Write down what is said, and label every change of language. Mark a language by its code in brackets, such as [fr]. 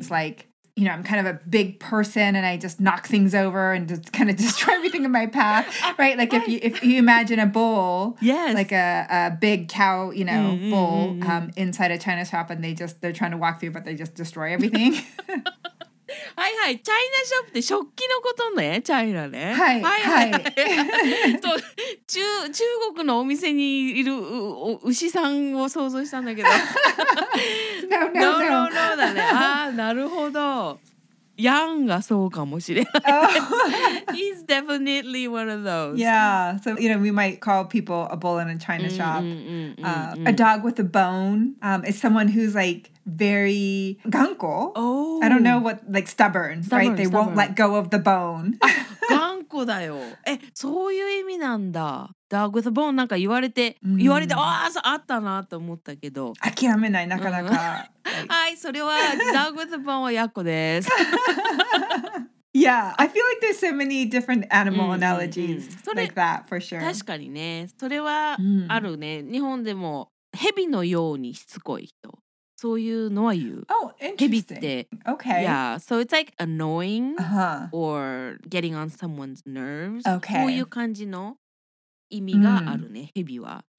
[en] It's like, you know, I'm kind of a big person and I just knock things over and just kind of destroy everything in my path, right? Like if you imagine a bull, yes. Like a big cow, you know, bull inside a china shop and they're trying to walk through, but they just destroy everything. [ja] はいはい、チャイナショップって食器のことね、チャイナね。はいはいはい。と中国のお店にいる牛さんを想像したんだけど。 [en] No, no, no. No, no, no, [ja] だね。あー、なるほど。ヤンがそうかもしれない。 [en] He's definitely one of those. Yeah, so, you know, we might call people a bull in a china shop. A dog with a bone is someone who's like... very ganko. Oh. I don't know what, like stubborn, stubborn right? They stubborn. Won't let go of the bone. [ja] Ganko だよ。え、そういう意味なんだ。 [en] Dog with a bone [ja] なんか言われて、言われて、ああ、あったなと思ったけど。諦めない、なかなか。はい、それは、 [en] Dog with a bone [ja] はヤッコです。 [en] Yeah, I feel like there's so many different animal analogies like that, for sure. [ja] 確かにね。それはあるね。日本でも、蛇のようにしつこい人。そういうのは言う。 [en] Oh, interesting. って okay. Yeah, so it's like annoying or getting on someone's nerves. Okay. [ja] こういう感じの意味があるね、蛇は。